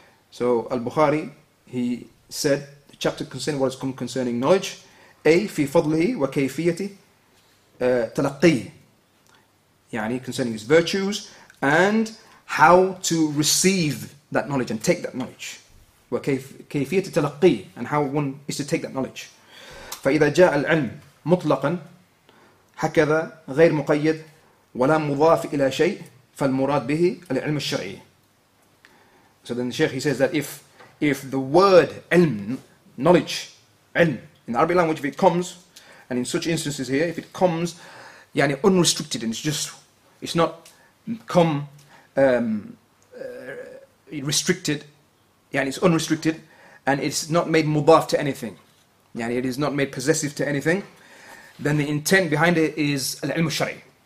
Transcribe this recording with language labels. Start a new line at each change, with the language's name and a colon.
English: So Al-Bukhari, he said, the chapter concerning what has come concerning knowledge, A,
Arabic: في فضله وكيفيته تلقيه,
English: يعني concerning his virtues and how to receive that knowledge and take that knowledge.
Arabic: وكيفية تلقي,
English: and how one is to take that knowledge.
Arabic: فإذا جاء العلم مطلقا هكذا غير مقيد ولا مضاف إلى شيء فالمراد به العلم الشرعي.
English: So then the Sheikh, he says that if the word علم, knowledge, علم, in the Arabic language, if it comes, and in such instances here, if it comes يعني unrestricted and it's just, it's not come restricted, yani it's unrestricted, and it's not made mudaf to anything, yani it is not made possessive to anything, then the intent behind it is al-ilm al-shari'.